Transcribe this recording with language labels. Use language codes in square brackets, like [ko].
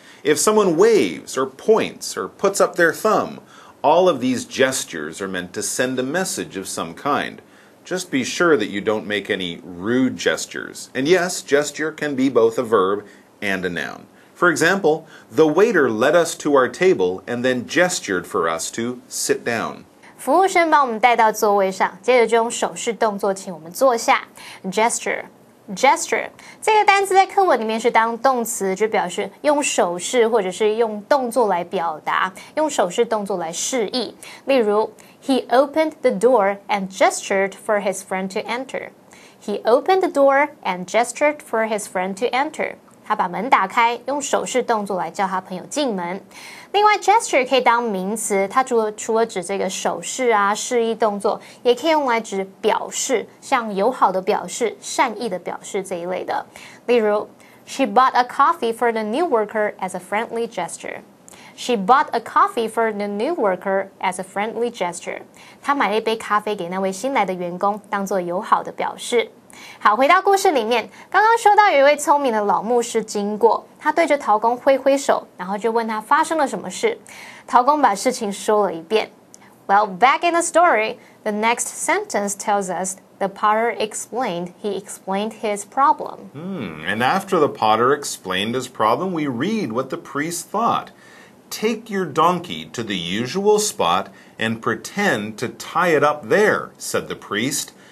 [en] If someone waves or points or puts up their thumb, all of these gestures are meant to send a message of some kind. Just be sure that you don't make any rude gestures. And yes, gesture can be both a verb and a noun. For example, the waiter led us to our table and then gestured for us to sit down. [zh] 服务生把我们带到座位上，接着就用手势动作请我们坐下。 [en] Gesture, gesture. [zh] 这个单词在课文里面是当动词，就表示用手势或者是用动作来表达，用手势动作来示意。例如 [en] He opened the door and gestured for his friend to enter. He opened the door and gestured for his friend to enter. [zh] 他把门打开，用手势动作来叫他朋友进门。另外 ，gesture 可以当名词，它除了指这个手势啊、示意动作，也可以用来指表示，像友好的表示、善意的表示这一类的。例如 [en] ，She bought a coffee for the new worker as a friendly gesture. She bought a coffee for the new worker as a friendly gesture. [zh] 她买了一杯咖啡给那位新来的员工，当作友好的表示。好，回到故事里面，刚刚说到有一位聪明的老牧师经过，他对着陶工挥挥手，然后就问他发生了什么事。陶工把事情说了一遍。 [en] Well, back in the story, the next sentence tells us the potter explained. He explained his problem. And after the potter explained his problem, we read what the priest thought. Take your donkey to the usual spot and pretend to tie it up there, said the priest.